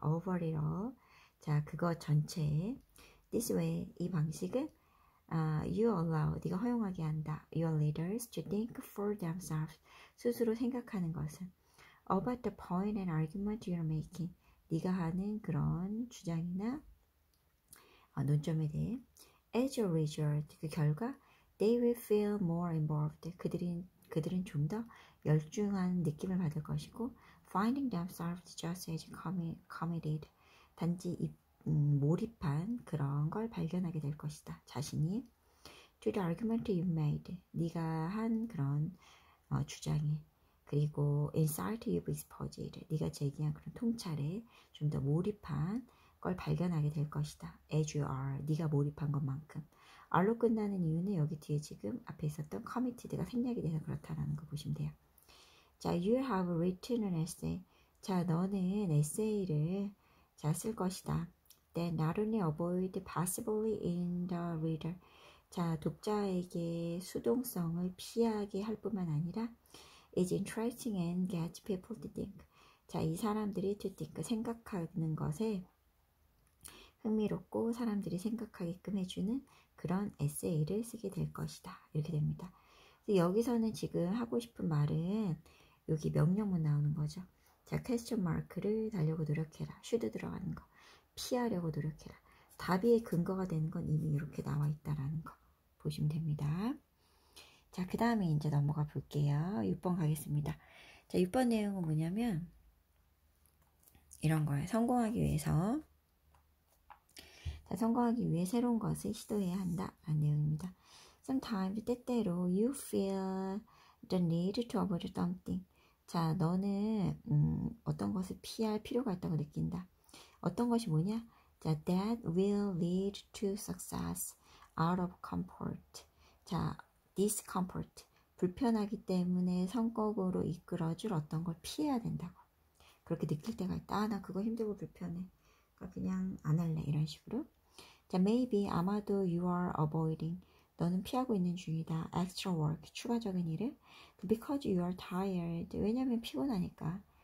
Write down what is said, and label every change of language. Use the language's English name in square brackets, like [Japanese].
[English] Over it all. [Korean] 자, 그거 전체에. [English] This way, [Korean] 이 방식은 [English] you allow, [Korean] 네가 허용하게 한다. [English] Your leaders to think for themselves. [Korean] 스스로 생각하는 것은. [English] About the point and argument you're making. [Korean] 네가 하는 그런 주장이나 논점에 대해. [English] As a result, [Korean] 그 결과, [English] they will feel more involved. [Korean] 그들은 좀더 열중한 느낌을 받을 것이고, [English] finding themselves just as committed. [Korean] 단지 몰입한 그런 걸 발견하게 될 것이다. 자신이. [English] To the argument you made. [Korean] 네가 한 그런 주장에. 그리고 [English] insight you've exposed. [Korean] 네가 제기한 그런 통찰에 좀더 몰입한 걸 발견하게 될 것이다. [English] As you are. [Korean] 네가 몰입한 것만큼. are로 끝나는 이유는 여기 뒤에 지금 앞에 있었던 committed가 생략이 돼서 그렇다라는 거 보시면 돼요. [English] 자, you have written an essay. [Korean] 자, 너는 에세이를 자, 쓸 것이다. [English] Then not only avoid possibly in the reader. [Korean] 자, 독자에게 수동성을 피하게 할 뿐만 아니라 [English] is interesting and get people to think. [Korean] 자, 이 사람들이 [English] to think, [Korean] 생각하는 것에 흥미롭고 사람들이 생각하게끔 해주는 그런 에세이를 쓰게 될 것이다. 이렇게 됩니다. 여기서는 지금 하고 싶은 말은 여기 명령문 나오는 거죠. 자, question mark를 달려고 노력해라. should 들어가는 거. 피하려고 노력해라. 답의 근거가 되는 건 이미 이렇게 나와 있다라는 거 보시면 됩니다. 자, 그 다음에 이제 넘어가 볼게요. 6번 가겠습니다. 자, 6번 내용은 뭐냐면 이런 거예요. 성공하기 위해서. 자, 성공하기 위해 새로운 것을 시도해야 한다라는 내용입니다. [English] Sometimes [Korean] 때때로 [English] you feel the need to avoid something. [Korean] 자, 너는 어떤 것을 피할 필요가 있다고 느낀다. 어떤 것이 뭐냐? [English] 자, that will lead to success out of comfort. 자, discomfort. [Korean] 불편하기 때문에 성공으로 이끌어줄 어떤 걸 피해야 된다고. 그렇게 느낄 때가 있다. 아, 나 그거 힘들고 불편해. 그냥 안 할래 이런 식으로. 자, [English] maybe [Korean] 아마도 [English] you are avoiding [Korean] 너는 피하고 있는 중이다. [English] extra work [Korean] 추가적인 일을. [English] because you are tired [Korean] 왜냐면 피곤하니까.